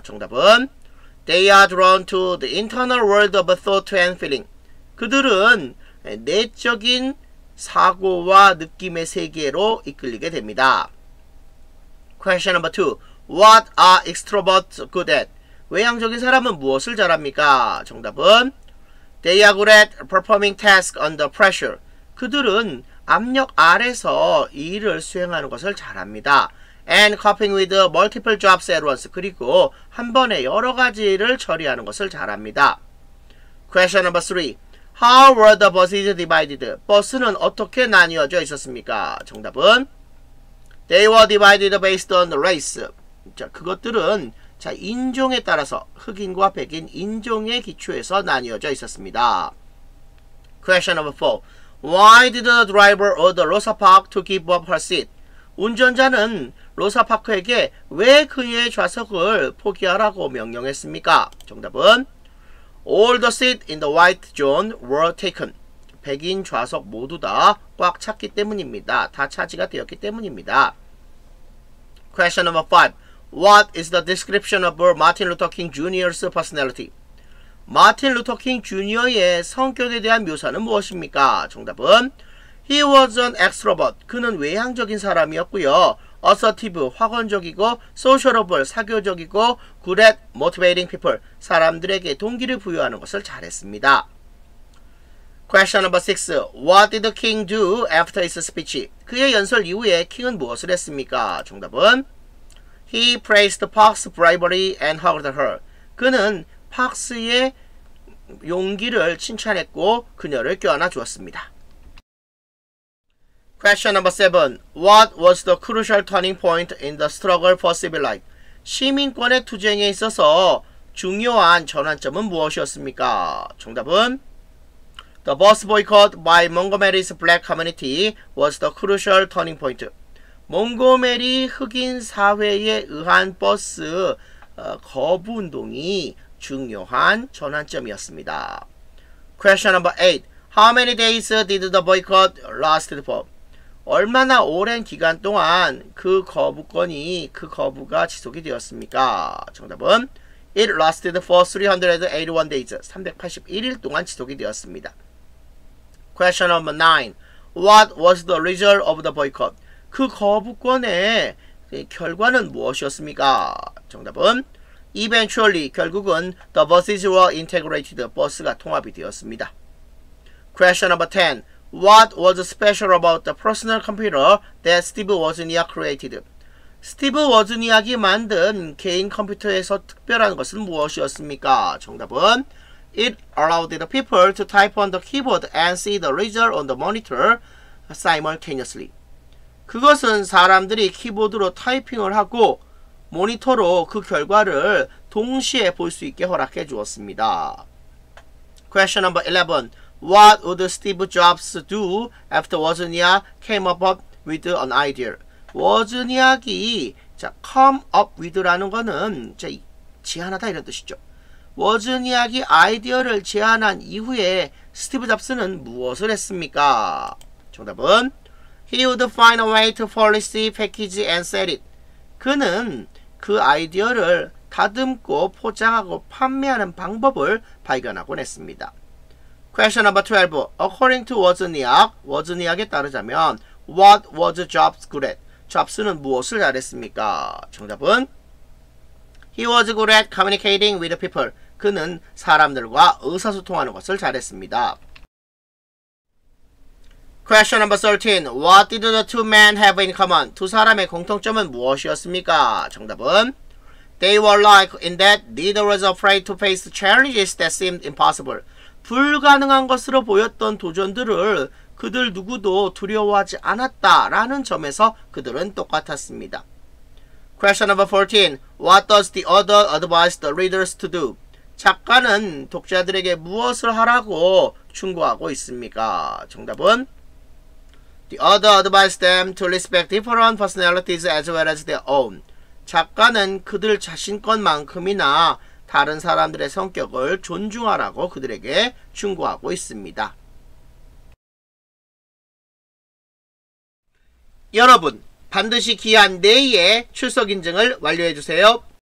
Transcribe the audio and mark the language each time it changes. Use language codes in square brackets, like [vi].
[ko] 정답은 [en] They are drawn to the internal world of thought and feeling. [ko] 그들은 내적인 사고와 느낌의 세계로 이끌리게 됩니다. [en] Question number 2. What are extroverts good at? [ko] 외향적인 사람은 무엇을 잘합니까? 정답은 [en] They are good at performing tasks under pressure. [ko] 그들은 압력 아래서 일을 수행하는 것을 잘합니다. [en] And coping with multiple jobs at once. [ko] 그리고 한 번에 여러 가지 일을 처리하는 것을 잘합니다. [en] Question number 3. How were the buses divided? [ko] 버스는 어떻게 나뉘어져 있었습니까? 정답은 [en] They were divided based on race. [ko] 자, 그것들은 자 인종에 따라서 흑인과 백인 인종의 기초에서 나뉘어져 있었습니다. [en] Question number 4. Why did the driver order Rosa Parks to give up her seat? [ko] 운전자는 로사 파크에게 왜 그의 좌석을 포기하라고 명령했습니까? 정답은 [en] All the seats in the white zone were taken. [ko] 백인 좌석 모두 다 꽉 찼기 때문입니다. 다 차지가 되었기 때문입니다. [en] Question number 5. What is the description of Martin Luther King Jr.'s personality? [ko] 마틴 루터 킹 주니어의 성격에 대한 묘사는 무엇입니까? 정답은 [en] He was an extrovert. [ko] 그는 외향적인 사람이었고요. [en] Assertive, [ko] 확언적이고, [en] sociable, [ko] 사교적이고, [en] good at motivating people. [ko] 사람들에게 동기를 부여하는 것을 잘했습니다. [en] Question number 6. What did King do after his speech? [ko] 그의 연설 이후에 킹은 무엇을 했습니까? 정답은 [en] He praised Park's bravery and hugged her. [ko] 그는 팍스의 용기를 칭찬했고 그녀를 껴안아 주었습니다. [en] Question number 7. What was the crucial turning point in the struggle for civil rights? [ko] 시민권의 투쟁에 있어서 중요한 전환점은 무엇이었습니까? 정답은 [en] The bus boycott by Montgomery's black community was the crucial turning point. [ko] 몽고메리 흑인 사회에 의한 버스 거부 운동이 중요한 전환점이었습니다. [en] Question number 8. How many days did the boycott last for? [ko] 얼마나 오랜 기간 동안 그 거부가 지속이 되었습니까? 정답은 [en] It lasted for 381 days. [ko] 381일 동안 지속이 되었습니다. [en] Question number 9. What was the result of the boycott? [ko] 그 거부권의 결과는 무엇이었습니까? 정답은 [en] Eventually, [ko] 결국은 [en] the buses were integrated. [ko] 버스가 통합이 되었습니다. [en] Question number 10. What was special about the personal computer that Steve Wozniak created? [ko] Steve Wozniak이 만든 개인 컴퓨터에서 특별한 것은 무엇이었습니까? 정답은 [en] It allowed the people to type on the keyboard and see the result on the monitor simultaneously. [ko] 그것은 사람들이 키보드로 타이핑을 하고 모니터로 그 결과를 동시에 볼 수 있게 허락해 주었습니다. [en] Question number 11. What would Steve Jobs do after Wozniak came up with an idea? [ko] Wozniak이 [en] come up with [ko] 라는 거는 제안하다 이런 뜻이죠. Wozniak이 아이디어를 제안한 이후에 스티브 잡스는 무엇을 했습니까? 정답은 [en] He would find a way to policy package and sell it. [ko] 그는 그 아이디어를 다듬고 포장하고 판매하는 방법을 발견하곤 했습니다. [en] Question number 12. According to Wozniak, [ko] Wozniak에 따르자면 [en] What was Jobs good at? [ko] Jobs는 무엇을 잘했습니까? 정답은 [en] He was good at communicating with people. [ko] 그는 사람들과 의사소통하는 것을 잘했습니다. [en] Question number 13. What did the two men have in common? [ko] 두 사람의 공통점은 무엇이었습니까? 정답은 [en] They were like in that neither was afraid to face challenges that seemed impossible. [ko] 불가능한 것으로 보였던 도전들을 그들 누구도 두려워하지 않았다라는 점에서 그들은 똑같았습니다. [en] Question number 14. What does the author advise the readers to do? [ko] 작가는 독자들에게 무엇을 하라고 충고하고 있습니까? 정답은 [en] The other advised them to respect different personalities as well as their own. [ko] 작가는 그들 자신 것만큼이나 다른 사람들의 성격을 존중하라고 그들에게 충고하고 있습니다. 여러분, 반드시 기한 내에 출석 인증을 완료해 주세요.